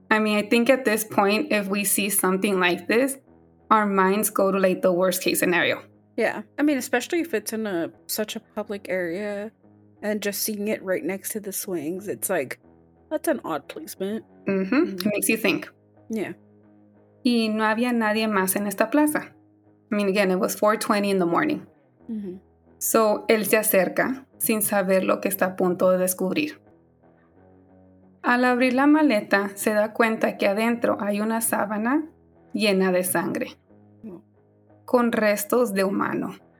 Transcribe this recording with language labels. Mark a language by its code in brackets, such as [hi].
[en] I mean, I think at this point, if we see something like this, our minds go to like the worst case scenario. Yeah. I mean, especially if it's in such a public area and just seeing it right next to the swings, it's like, that's an odd placement. Mm-hmm. It makes you think. Yeah. [es] Y no había nadie más en esta plaza. [en] I mean, again, it was 4:20 in the morning. Mm-hmm. So, [es] él se acerca sin saber lo que está a punto de descubrir. Al abrir la maleta, se da cuenta que adentro hay una sábana llena de sangre, con restos de humano.